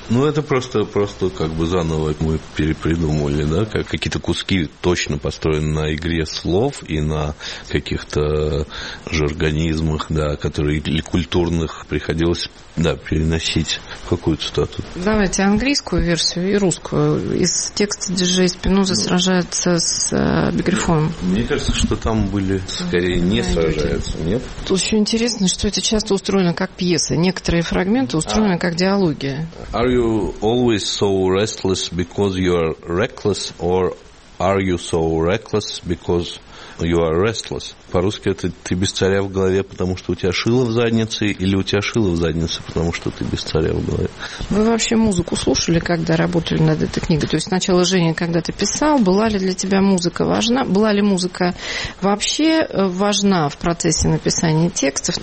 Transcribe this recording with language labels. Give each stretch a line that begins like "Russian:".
Russian: Ну, это просто как бы заново мы перепридумывали, да, какие-то куски точно построены на игре слов и на каких-то жаргонизмах, да, которые или культурных приходилось, да, переносить в какую-то цитату. Давайте английскую версию и русскую. Из текста диджей Спиноза сражается с Бегрифоном. Мне кажется, что там были скорее не сражаются, нет? Тут еще интересно, что это часто устроено как пьеса. Некоторые фрагменты устроены как диалоги.
English: Are you always so restless because you are reckless, or are you so reckless because you are restless?
Russian: По-русски это «ты без царя в голове, потому что у тебя шило в заднице», или «у тебя шило в заднице, потому что ты без царя в голове». Вы вообще музыку слушали, когда работали над этой книгой? То есть сначала, Женя, когда ты писал, была ли для тебя музыка важна? Была ли музыка вообще важна в процессе написания текстов?